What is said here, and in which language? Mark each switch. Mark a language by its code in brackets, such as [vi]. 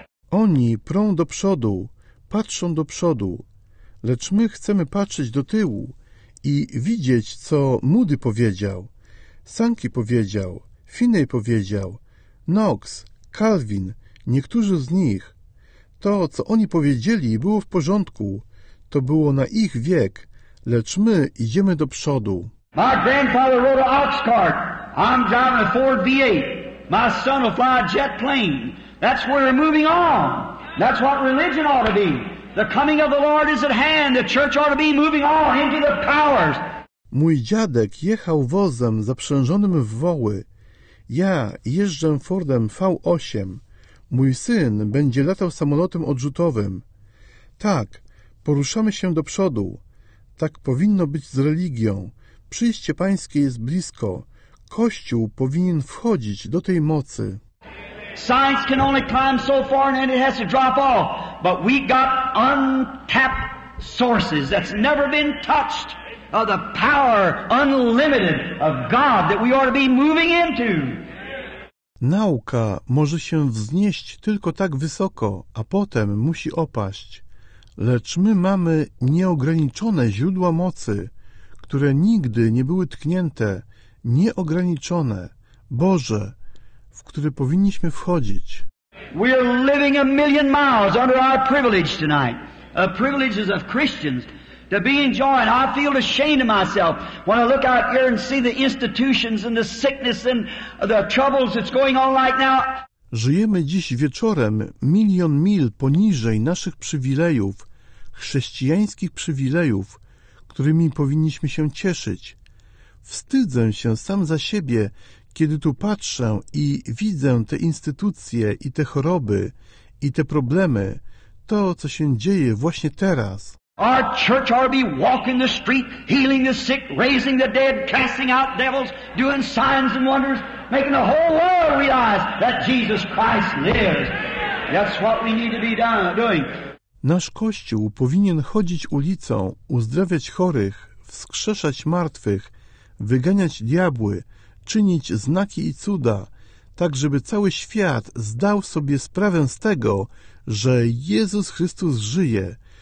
[pl] Oni prą do przodu, patrzą do przodu, lecz my chcemy patrzeć do tyłu i widzieć, co Moody powiedział, Sankey powiedział, Finney powiedział, Knox, Calvin, niektórzy z nich. To, co oni powiedzieli, było w porządku. To było na ich wiek, lecz my idziemy do przodu. [en] My grandfather rode an ox cart. I'm driving a Ford V8. My son will fly a jet plane. That's where we're moving on. That's what religion ought to be. The coming of the Lord is at hand. The church ought to be moving on into the powers. [pl] Mój dziadek jechał wozem zaprzężonym w woły. Ja jeżdżę Fordem V8. Mój syn będzie latał samolotem odrzutowym. Tak, poruszamy się do przodu. Tak powinno być z religią. Przyjście Pańskie jest blisko. Kościół powinien wchodzić do tej mocy. [en] Science can only climb so far and then it has to drop off. But we got untapped sources that's never been touched of the power unlimited of God that we ought to be moving into. [pl] Nauka może się wznieść tylko tak wysoko, a potem musi opaść. Lecz my mamy nieograniczone źródła mocy, które nigdy nie były tknięte, nieograniczone, Boże, w które powinniśmy wchodzić. [en] We are living a million miles under our privilege tonight. A privilege of Christians. to be enjoying. I feel ashamed of myself when I look out here and see the institutions and the sickness and the troubles that's going on right now. [pl] Żyjemy dziś wieczorem milion mil poniżej naszych przywilejów, chrześcijańskich przywilejów, którymi powinniśmy się cieszyć. Wstydzę się sam za siebie, kiedy tu patrzę i widzę te instytucje i te choroby i te problemy, to, co się dzieje właśnie teraz. [en] Our church ought to be walking the street, healing the sick, raising the dead, casting out devils, doing signs and wonders, making the whole world realize that Jesus Christ lives. That's what we need to be doing. [pl] Nasz Kościół powinien chodzić ulicą, uzdrawiać chorych, wskrzeszać martwych, wyganiać diabły, czynić znaki i cuda, tak żeby cały świat zdał sobie sprawę z tego, że Jezus Chrystus żyje.